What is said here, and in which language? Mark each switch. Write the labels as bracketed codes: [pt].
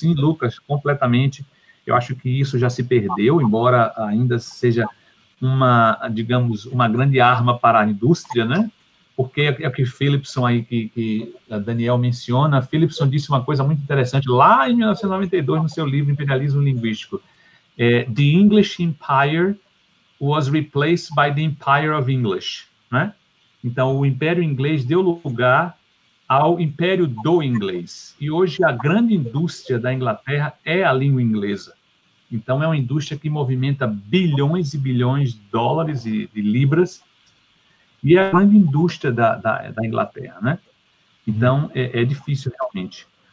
[pt] Sim, Lucas, completamente, eu acho que isso já se perdeu, embora ainda seja uma, digamos, uma grande arma para a indústria, né? Porque é o que Philipson aí, que Daniel menciona, Philipson disse uma coisa muito interessante lá em 1992, no seu livro Imperialismo Linguístico. [en] The English Empire was replaced by the Empire of English. [pt] Né? Então, o Império Inglês deu lugar ao Império do Inglês. E hoje, a grande indústria da Inglaterra é a língua inglesa. Então, é uma indústria que movimenta bilhões e bilhões de dólares e de libras. E a grande indústria da Inglaterra, né? Então, é difícil, realmente.